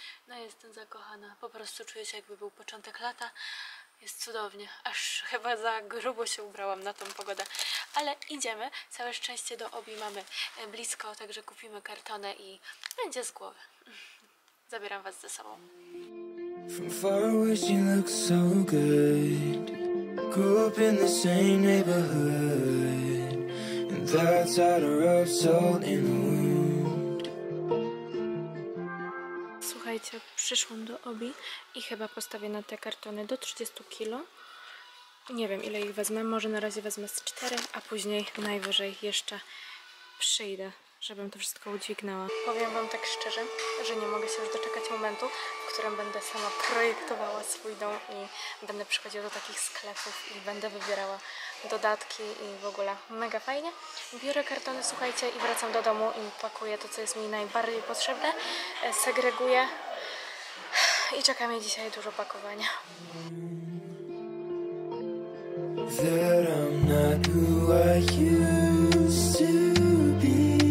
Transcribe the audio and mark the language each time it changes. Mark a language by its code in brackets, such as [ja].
[pl] No jestem zakochana. Po prostu czuję się, jakby był początek lata. Jest cudownie. Aż chyba za grubo się ubrałam na tą pogodę. Ale idziemy. Całe szczęście do Obi mamy blisko, także kupimy kartonę i będzie z głowy. Zabieram was ze sobą. [en] From far away she looks so good. Grew up in the same neighborhood. And that's how the rub salt in the wound. [pl] Słuchajcie, przyszłam do Obi i chyba postawię na te kartony do 30 kilo. Nie wiem, ile ich wezmę. Może na razie wezmę z 4, a później najwyżej jeszcze przyjdę, żebym to wszystko udźwignęła. Powiem wam tak szczerze, że nie mogę się już doczekać momentu, w którym będę sama projektowała swój dom i będę przychodziła do takich sklepów i będę wybierała dodatki i w ogóle mega fajnie. Biorę kartony, słuchajcie, i wracam do domu i pakuję to, co jest mi najbardziej potrzebne. Segreguję i czeka mnie dzisiaj dużo pakowania. [en] That I'm not who I used to be.